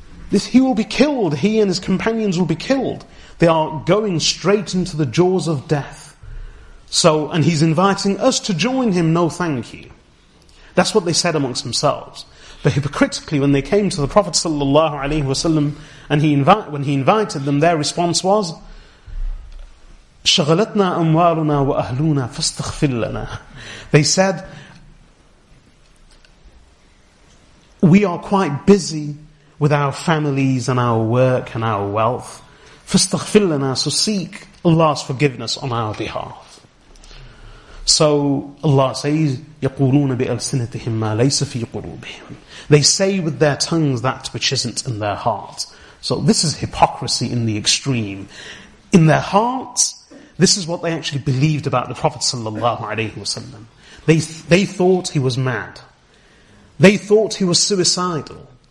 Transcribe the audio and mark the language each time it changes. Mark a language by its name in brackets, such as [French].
[English] He will be killed. He and his companions will be killed. They are going straight into the jaws of death. So, and he's inviting us to join him. No, thank you. That's what they said amongst themselves. But hypocritically, when they came to the Prophet sallallahu alaihi wasallam, and when he invited them, their response was, [Arabic] شغلتنا أموالنا وأهلنا فاستغفر لنا. [English] They said, we are quite busy with our families and our work and our wealth. [Arabic] فاستغفر لنا, [English] so seek Allah's forgiveness on our behalf. So Allah says, [Arabic] يقولون بألسنتهم ما ليس في قلوبهم. [English] They say with their tongues that which isn't in their heart. So this is hypocrisy in the extreme. In their hearts, this is what they actually believed about the Prophet sallallahu alaihi wasallam. They thought he was mad. They thought he was suicidal.